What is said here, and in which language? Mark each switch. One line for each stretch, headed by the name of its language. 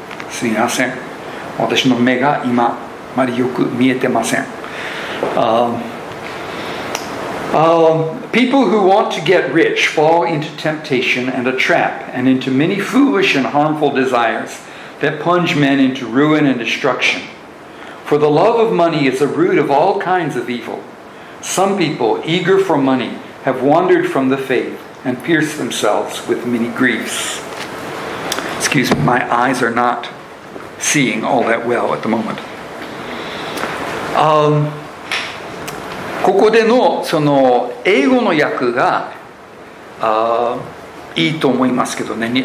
Japanese: すみません、私の目が今あまりよく見えてません。
English: People who want to get rich fall into temptation and a trap and into many foolish and harmful desires that plunge men into ruin and destruction. For the love of money is the root of all kinds of evil. Some people eager for money have wandered from the faith and pierced themselves with many griefs. Excuse me, my eyes are not seeing all that well at the moment.
Japanese: ここでのその英語の訳がいいと思いますけどね。